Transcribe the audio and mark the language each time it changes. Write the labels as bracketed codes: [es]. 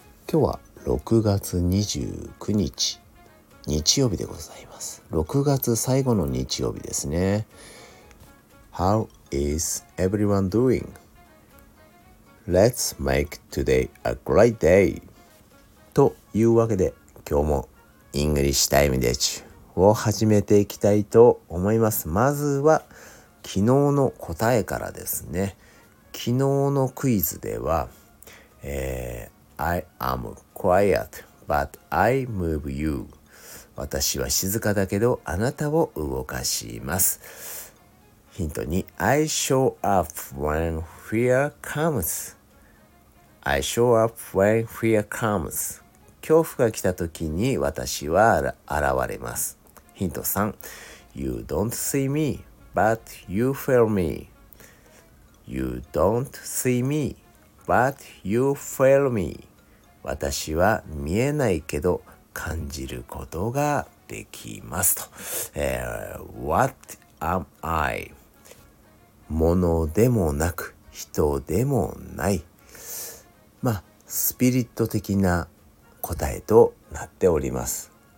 [ja] 今日は6月29日日曜日でございます。 6月最後の日曜日ですね。 [en] How is everyone doing? Let's make today a great day. [ja] というわけで今日もイングリッシュタイムで中を始めていきたいと思います。まずは昨日の答えからですね。昨日のクイズでは、 [en] I am quiet but I move you。 [ja] 私は静かだけどあなたを動かします。ヒントに [en] I show up when fear comes。 I show up when fear comes。 [ja] 恐怖が来た時に私は現れます。ヒント3、 [en] You don't see me but you feel me。 You don't see me but you feel me。 [ja] 私は見えないけど感じることができますと。 [en] What am I? [ja] ものでもなく人でもない、まあスピリット的な答えとなっております。